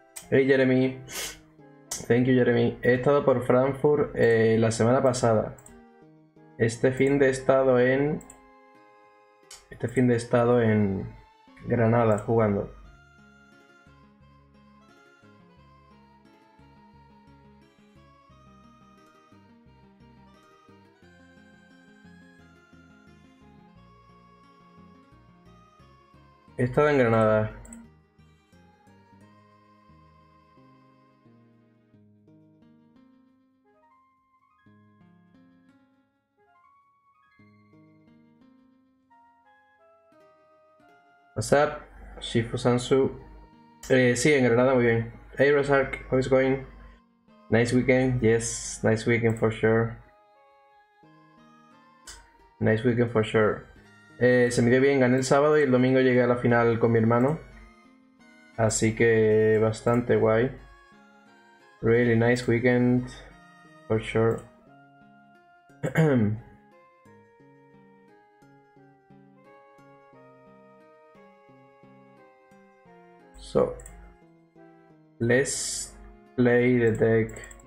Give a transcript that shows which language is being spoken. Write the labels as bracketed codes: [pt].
[en] Hey Jeremy, thank you Jeremy. [es] He estado por Frankfurt la semana pasada. Este fin de he estado en Granada jugando. He estado en Granada. WhatsApp, Shifu Sansu. Sí, en Granada, muy bien. [en] Hey Rosark, how is going? Nice weekend, yes, nice weekend for sure. Nice weekend for sure. [es] Se me dio bien, gané el sábado y el domingo llegué a la final con mi hermano. Así que bastante guay. [en] Really nice weekend, for sure. So, let's play the deck.